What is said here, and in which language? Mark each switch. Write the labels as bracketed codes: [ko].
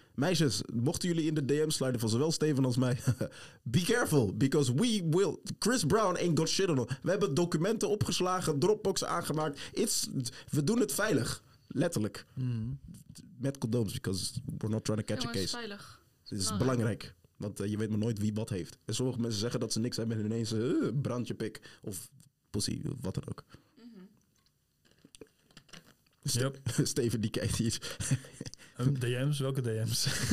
[nl] Meisjes, mochten jullie in de DM sliden van zowel Steven als mij, [en] be careful, because we will... Chris Brown ain't got shit on. [nl] We hebben documenten opgeslagen, Dropbox aangemaakt. We doen het veilig. Letterlijk. Mm. Met condooms, [en] because we're not trying to catch a case. [nl] Het is veilig. Het is belangrijk, want je weet maar nooit wie wat heeft. En sommige mensen zeggen dat ze niks hebben en ineens brandje pik of pussy, wat dan ook. Mm-hmm. Yep. Steven, die kijkt hier... DM's? Welke DM's?